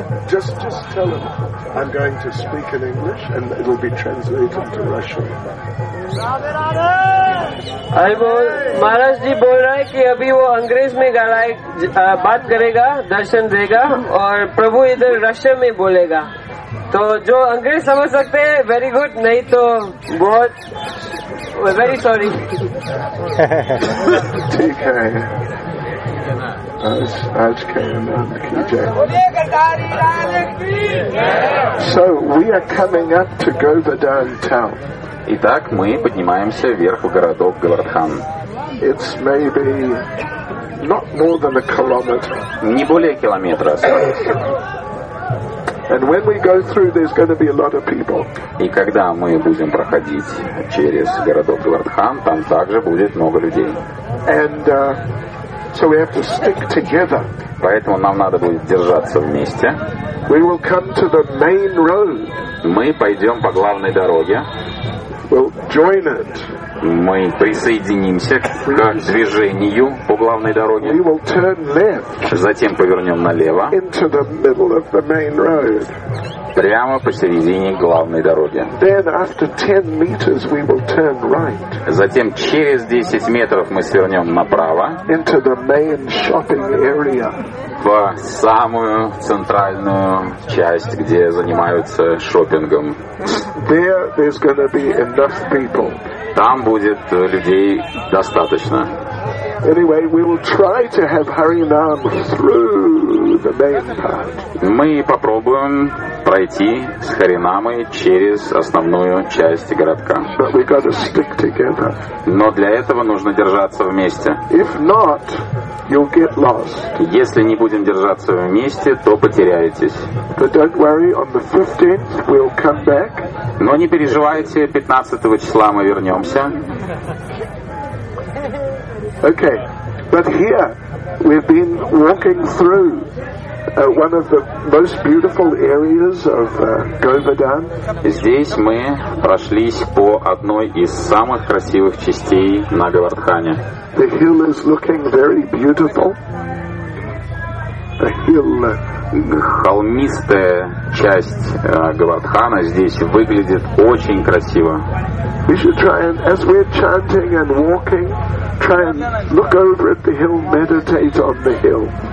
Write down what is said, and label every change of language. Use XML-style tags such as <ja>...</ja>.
<en>Just tell him I'm going to speak in English and it will be translated to Russian.</en> <hi>अरे वो महाराज जी बोल रहा है कि अभी वो अंग्रेज में गलाए बात करेगा, दर्शन देगा, और प्रभु इधर रशिया में बोलेगा. तो जो अंग्रेज समझ सकते हैं</hi> <en>very good,</en> <hi>नहीं तो बहुत</hi> <en>Very sorry.</en> <hi>ठीक है. आज के नाम की जय.</hi> <en>So we are coming up to Govardhan town.</en> <ru>Итак, мы поднимаемся вверх в городок Говардхан.</ru> <en>It's maybe not more than a kilometer.</en> <ru>Не более километра.</ru> <en>And when we go through, there's going to be a lot of people.</en> <ru>И когда мы будем проходить через городок Вардхам, там также будет много людей.</ru> <en>And so we have to stick together.</en> <ru>Поэтому нам надо будет держаться вместе.</ru> <en>We will come to the main road.</en> <ru>Мы пойдем по главной дороге.</ru> <en>We'll join it.</en> <ru>Мы присоединимся к движению по главной дороге.</ru> <en>We will turn left.</en> <ru>Затем повернем налево.</ru> <en>Into the middle of the main road.</en> <ru>Прямо посередине главной дороги.</ru> <en>Then after 10 meters we will turn right.</en> <ru>Затем через 10 метров мы свернем направо.</ru> <en>Into the main shopping area.</en> <ru>В самую центральную часть, где занимаются шопингом.</ru> <en>There there's going to be enough people.</en> <ru>Там будет людей достаточно.</ru> <en>Anyway, we will try to have Haryanam through the main part.</en> <ru>Мы попробуем пройти с Харинамой через основную часть городка.</ru> <en>But we got to stick together.</en> <ru>Но для этого нужно держаться вместе.</ru> <en>If not, you'll get lost.</en> <ru>Если не будем держаться вместе, то потеряетесь.</ru> <en>But don't worry, on the 15th we'll come back.</en> <ru>Но не переживайте, 15 числа мы вернемся.</ru> <en>Okay, but here we've been walking through one of the most beautiful areas of Govardhan.</en> <ru>Здесь мы прошлись по одной из самых красивых частей на Говардхане.</ru> <en>The hill is looking very beautiful. The hill.</en> <ru>Холмистая часть Говардхана здесь выглядит очень красиво.</ru> <en>We should try and, as we're chanting and walking, try and look over at the hill, meditate on the hill.</en>